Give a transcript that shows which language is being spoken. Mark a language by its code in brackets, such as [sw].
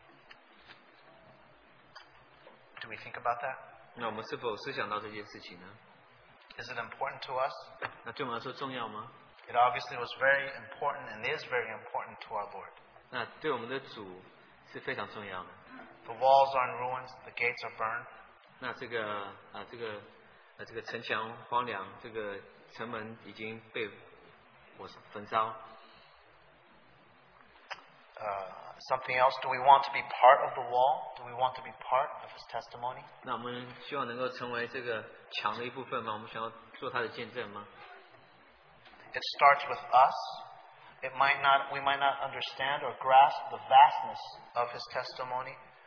[zh] 那弟兄，就是年轻人所提到，就是我们这个见证已经荒凉了。 [en] Do we think about that? [zh] 那我们是否思想到这件事情呢？ [en] Is it important to us? [zh] 那对我们来说重要吗？ [en] It obviously was very important and is very important to our Lord. [zh] 那对我们的主是非常重要的。 [en] The walls are in ruins, the gates are burned. [zh] 那这个城墙荒凉，这个城门已经被火焚烧。 [en] Something else, do we want to be part of the wall? Do we want to be part of his testimony? [zh] 那我们希望能够成为这个墙的一部分吗？我们想要做他的见证吗？ [en] It starts with us. We might not understand or grasp the vastness of his testimony.